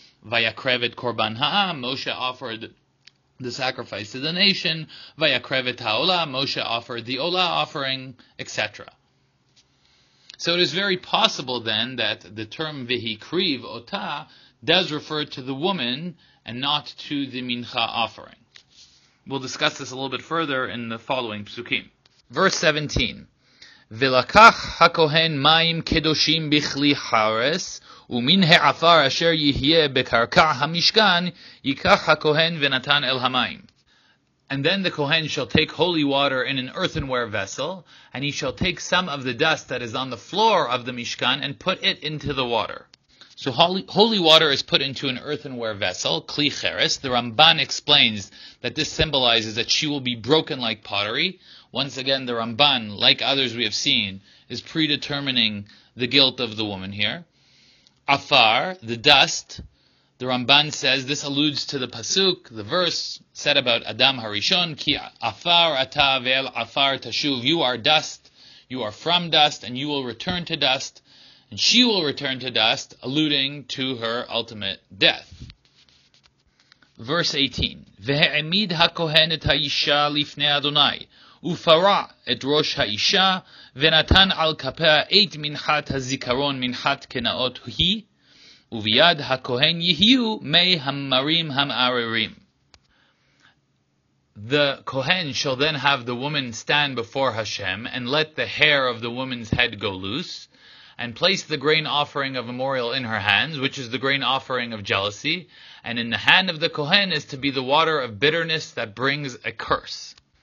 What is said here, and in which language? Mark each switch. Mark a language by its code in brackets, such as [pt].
[he] Vayakrev et korban ha'am. [en] Moshe offered the sacrifice to the nation, [he] Vayakrev et ha'olah, [en] Moshe offered the olah offering, etc. So it is very possible then that the term v'hikriv otah does refer to the woman and not to the mincha offering. We'll discuss this a little bit further in the following psukim. Verse 17, [he] V'lakach hakohen mayim kedoshim bichli hares, ומן העפר אשר יהיה בקרקע המשכן ייקח הכהן ונתן אל המים. [en] And then the Kohen shall take holy water in an earthenware vessel, and he shall take some of the dust that is on the floor of the Mishkan and put it into the water. So holy water is put into an earthenware vessel, kli cheres. The Ramban explains that this symbolizes that she will be broken like pottery. Once again, the Ramban, like others we have seen, is predetermining the guilt of the woman here. Afar, the dust, the Ramban says, this alludes to the pasuk, the verse said about Adam HaRishon, [he] Ki afar ata ve'el afar tashuv, [en] you are dust, you are from dust, and you will return to dust, and she will return to dust, alluding to her ultimate death. Verse 18, [he] Ve'emid hakohen et ha'isha lifnei Adonai, ufara et rosh ha'isha, ונתן על כפה את מנחת הזיכרון מנחת כנאות הוהי, וביד הכהן יהיו מי המרים המערירים. [en] The Kohen shall then have the woman stand before Hashem and let the hair of the woman's head go loose, and place the grain offering of memorial in her hands, which is the grain offering of jealousy, and in the hand of the Kohen is to be the water of bitterness that brings a curse.